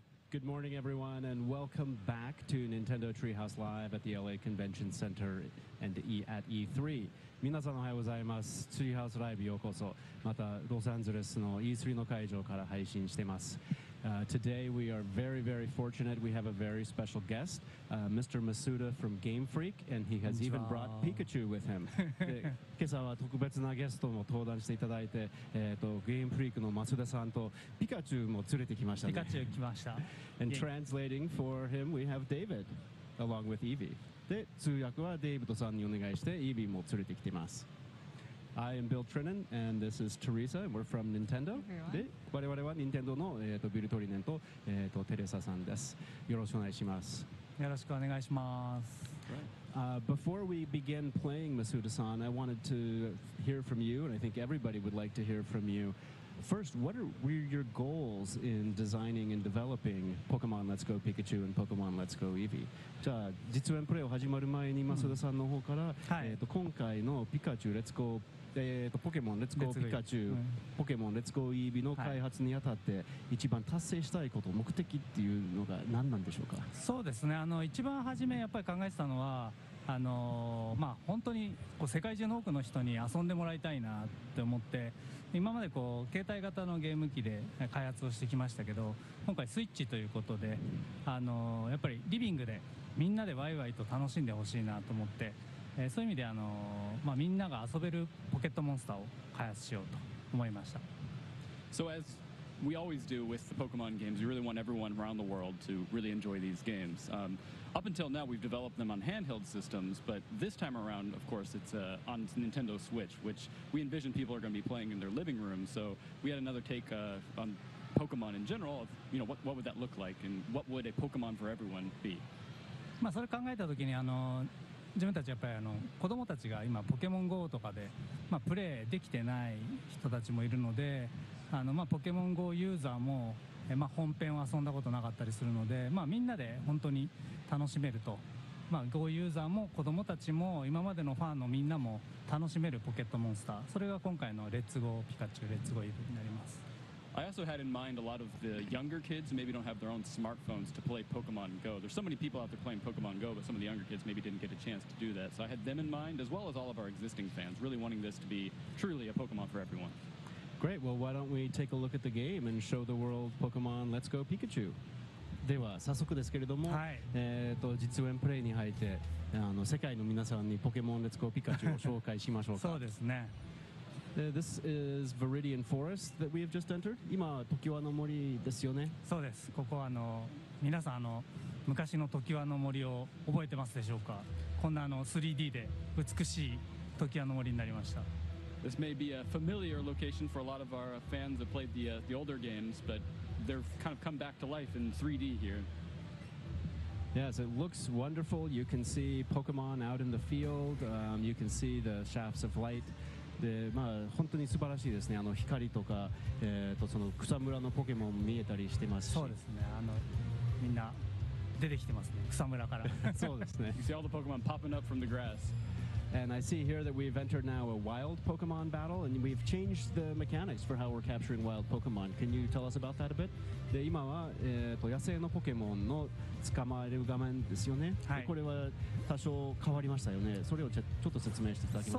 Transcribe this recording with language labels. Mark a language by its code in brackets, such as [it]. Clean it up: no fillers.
[en] Good morning, everyone, and welcome back to Nintendo Treehouse Live at the LA Convention Center and at E3. [ja] 皆さんおはようございます。ツリーハウスライブようこそ。またロサンゼルスの E3 の会場から配信しています。 [en] Today we are very, very fortunate. We have a very special guest, Mr. Masuda from Game Freak, and he has even brought Pikachu with him. [ja] 今朝は特別なゲストも登壇していただいて、Game Freak の Masuda さんとピカチュウも連れてきましたね。ピカチュウ来ました。 [en] And translating for him, we have David, along with Eevee. [ja] で通訳はデイブドさんにお願いしてイービーも連れてきています。 [en] I am Bill Trinan and this is Teresa. We're from Nintendo. [ja] で我々は Nintendo の、ビルトリネンと、テレサさんです。よろしくお願いします。よろしくお願いします。 [en] Before we begin playing Masuda-san, I wanted to hear from you, and I think everybody would like to hear from you. First, what were your goals in designing and developing Pokemon Let's Go Pikachu and Pokemon Let's Go Eevee? [ja] じゃあ実演プレイを始まる前に増田さんの方から、うん、今回のピカチュウレッツゴー、ポケモンレッツゴーピカチュウ、ポケモンレッツゴーイービーの開発にあたって一番達成したいこと、はい、目的っていうのが何なんでしょうか。そうですね、一番初めやっぱり考えてたのは本当にこう世界中の多くの人に遊んでもらいたいなって思って、今までこう携帯型のゲーム機で開発をしてきましたけど、今回スイッチということで、やっぱりリビングでみんなでワイワイと楽しんでほしいなと思って、そういう意味でみんなが遊べるポケットモンスターを開発しようと思いました。 [en] So as we always do with the Pokemon games, we really want everyone around the world to really enjoy these games. Up until now, we've developed them on handheld systems, but this time around, of course, it's on Nintendo Switch, which we envision people are going to be playing in their living room. So we had another take on Pokemon in general, of, you know, what would that look like, and what would a Pokemon for everyone be? [ja] まあ、それ考えたときに自分たちやっぱり子供たちが今ポケモン GO とかで、まあ、プレイできてない人たちもいるので、ポケモン GO ユーザーも、まあ、本編を遊んだことなかったりするので、まあ、みんなで本当に楽しめると、まあ、GO ユーザーも子供たちも今までのファンのみんなも楽しめるポケットモンスター、それが今回のレッツゴーピカチュウレッツゴーイブになります。 [en] I also had in mind a lot of the younger kids maybe don't have their own smartphones to play Pokemon Go. There's so many people out there playing Pokemon Go, but some of the younger kids maybe didn't get a chance to do that. So I had them in mind, as well as all of our existing fans, really wanting this to be truly a Pokemon for everyone. Great. Well, why don't we take a look at the game and show the world Pokemon Let's Go Pikachu? [ja] では早速ですけれども、はい、実演プレイに入って世界の皆さんにポケモン Let's Go Pikachu を紹介しましょうか。そうですね。 [en] This is Viridian Forest that we have just entered. [ja] 今は時輪の森ですよね。そうです、ここは皆さん昔の時輪の森を覚えてますでしょうか。こんな3D で美しい時輪の森になりました。 [en] This may be a familiar location for a lot of our fans that played the older games, but they've kind of come back to life in 3D here Yes, it looks wonderful. You can see Pokemon out in the field. You can see the shafts of light. [ja] でまあ、本当に素晴らしいですね。光とか、その草むらのポケモン見えたりしてますし、そうですね、みんな出てきてますね、草むらから。そうですね。 [en] You see all the Pokemon popping up from the grass. And I see here that we've entered now a wild Pokemon battle, and we've changed the mechanics for how we're capturing wild Pokemon. Can you tell us about that a bit? [ja] で今は、野生のポケモンの捕まえる画面ですよね。はい、これは多少変わりましたよね。それをちょっと説明していただけますか。